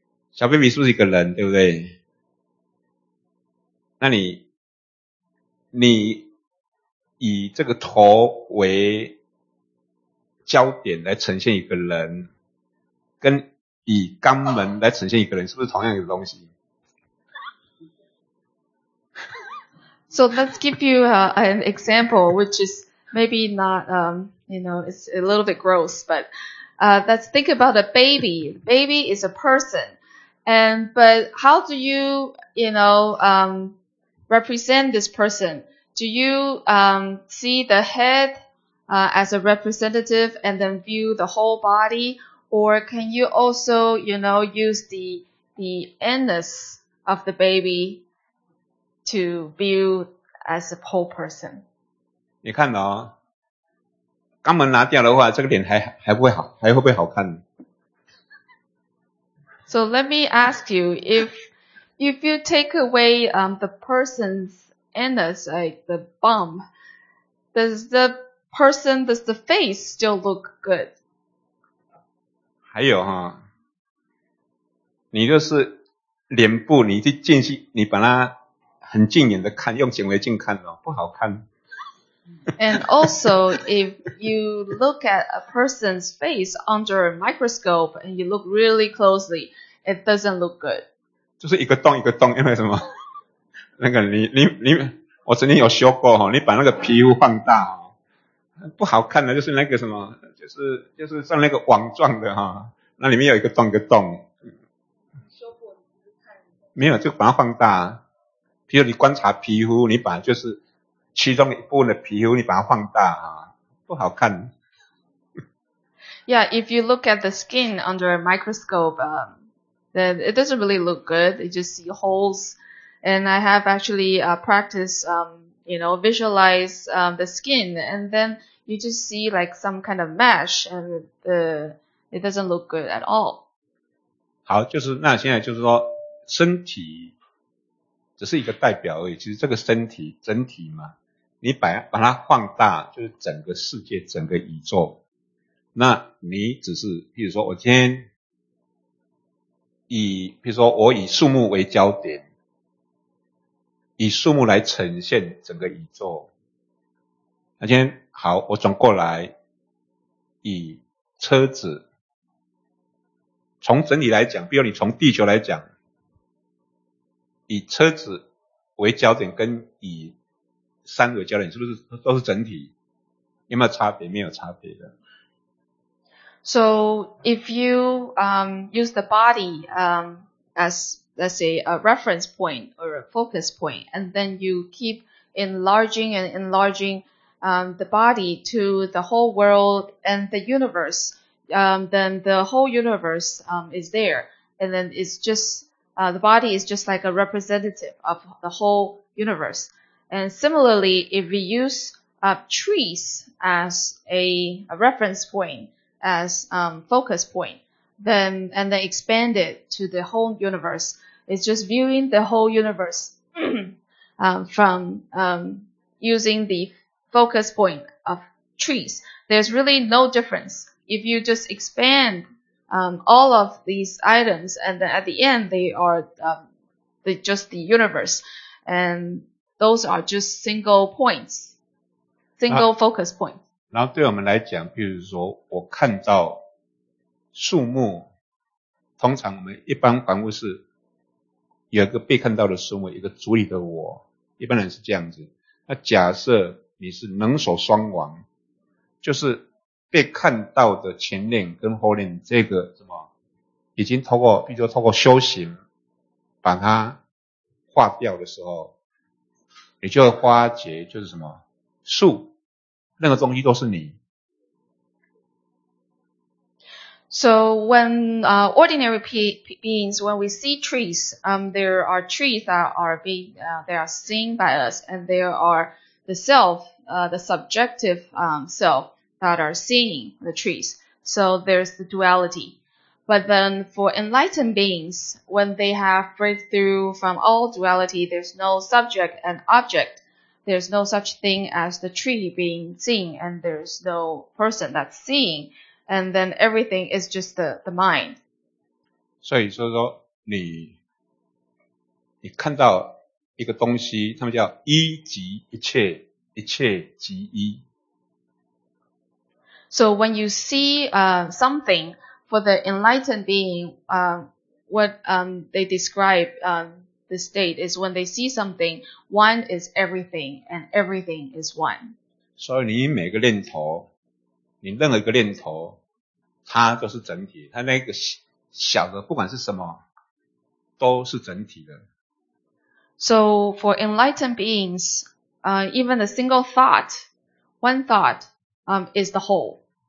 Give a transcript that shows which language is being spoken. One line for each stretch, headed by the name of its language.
Chinese: 小
English: baby
Chinese: 是不是一个人对不对那你以这个头为焦点来呈现一个人跟以肛门来呈现一个人是不是同样的东西
English: So let's give you an example which is maybe not you know it's a little bit gross but let's think about a baby. Baby is a person and but how do you you know represent this personDo you see the head as a representative and then view the whole body? Or can you also, you know, use the anus of the baby to view as a whole person?
Chinese: 你看哦，肛门拿掉的话，这个脸还会不会好看？
English: So let me ask you, if you take away the person'sAnd it's like the bum. Does the face still look good?
Chinese: 还有哈，你就是脸部，你去近去，你把它很近眼的看，用显微镜看哦，不好看。
English: And also, if you look at a person's face under a microscope and you look really closely, it doesn't look good.
Chinese: 就是一个洞一个洞，因为什么？那个你。我曾经有修过你把那个皮肤放大不好看的就是那个什么就是像那个网状的那里面有一个洞一个洞。修过没有就把它放大。比如你观察皮肤你把就是其中一部分的皮肤你把它放大不好看。
English: Yeah, if you look at the skin under a microscope, then it doesn't really look good. You just see holes. And I have actually practiced, you know, visualize the skin. And then you just see like some kind of mesh and it doesn't look good at all.
Chinese: 好就是那现在就是说身体只是一个代表而已其实这个身体整体嘛你 把它放大，就是整个世界整个宇宙，那你只是譬如说我今天以譬如说我以树木为焦点，以树木来呈现整个宇宙，那今天好我转过来以车子，从整体来讲，比如你从地球来讲，以车子为焦点跟以山为焦点，是不是都是整体？有没有差别？没有差别的。
English: So if you use the body as let's say a reference point or a focus point, and then you keep enlarging and enlarging the body to the whole world and the universe, then the whole universe is there, and then it's just the body is just like a representative of the whole universe. And similarly, if we use trees as a reference point, as focus point, then expand it to the whole universe, it's just viewing the whole universe from using the focus point of trees. There's really no difference. If you just expand all of these items, and then at the end they are just the universe, and those are just single points, single focus points.
Chinese: 然后对我们来讲，比如说我看到树木，通常我们一般凡夫是有一个被看到的树木，一个主体的我，一般人是这样子。那假设你是能手双王，就是被看到的前脸跟后脸，这个什么已经透过，比如说透过修行把它化掉的时候，你就会发觉就是什么树那个东西都是你。
English: So when ordinary beings, when we see trees, there are trees that are being, they are seen by us, and there are the self, the subjective self that are seeing the trees. So there's the duality. But then for enlightened beings, when they have breakthrough from all duality, there's no subject and object. There's no such thing as the tree being seen, and there's no person that's seeing. And then everything is just the mind.
Chinese: 所以说说你看到一个东西，他们叫一即一切，一切即一。
English: So when you see something, for the enlightened being, what they describe the state is when they see something, one is everything, and everything is one.
Chinese: 所以你每个念头，你任何一个念头。它就是整体，它那个小的不管是什么都是整体的。
English: So for enlightened beings, even a single thought, one thought, is the whole.